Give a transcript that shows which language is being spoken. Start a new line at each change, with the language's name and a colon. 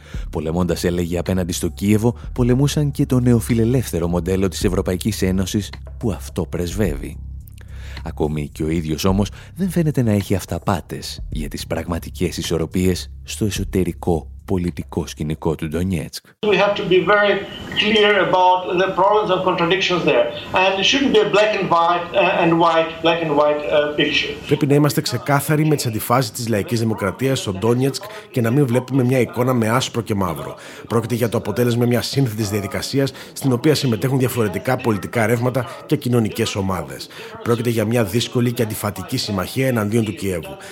Greek: Πολεμώντας, έλεγε, απέναντι στο Κίεβο, πολεμούσαν και το νεοφιλελεύθερο μοντέλο της Ευρωπαϊκής Ένωσης που αυτό πρεσβεύει. Ακόμη και ο ίδιος όμως δεν φαίνεται να έχει αυταπάτες για τις πραγματικές ισορροπίες στο εσωτερικό πολιτικό σκηνικό του Ντονιέτσκ.
English: We have to be very clear about the problems and contradictions there. And it shouldn't be a black and white and white black and white picture.
Greek: Πρέπει να είμαστε ξεκάθαροι με τις αντιφάσεις της λαϊκής δημοκρατίας στο Ντονιέτσκ και να μην βλέπουμε μια εικόνα με άσπρο και μαύρο. Πρόκειται για το αποτέλεσμα μιας σύνθετης διαδικασίας στην οποία συμμετέχουν διαφορετικά πολιτικά ρεύματα και κοινωνικές ομάδες. Πρόκειται για μια δύσκολη και αντιφατική συμμαχία εναντίον του Κιέβου.